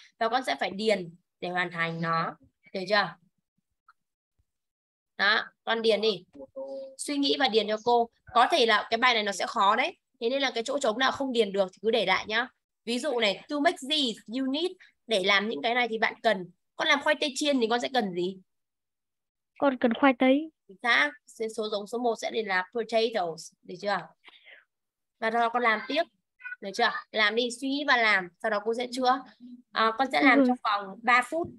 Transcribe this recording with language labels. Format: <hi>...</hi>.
<vi>Và con sẽ phải điền để hoàn thành nó. Được chưa? Đó, con điền đi. Suy nghĩ và điền cho cô. Có thể là cái bài này nó sẽ khó đấy. Thế nên là cái chỗ trống nào không điền được thì cứ để lại nhá. Ví dụ này,</vi> <en>to make these, you need.</en> <vi>Để làm những cái này thì bạn cần. Con làm khoai tây chiên thì con sẽ cần gì? Con cần khoai tây. Thế số giống số 1 sẽ để là potatoes. Được chưa? Và sau đó con làm tiếp. Được chưa? Làm đi, suy nghĩ và làm. Sau đó cô sẽ chữa. Con sẽ làm trong vòng 3 phút.</vi>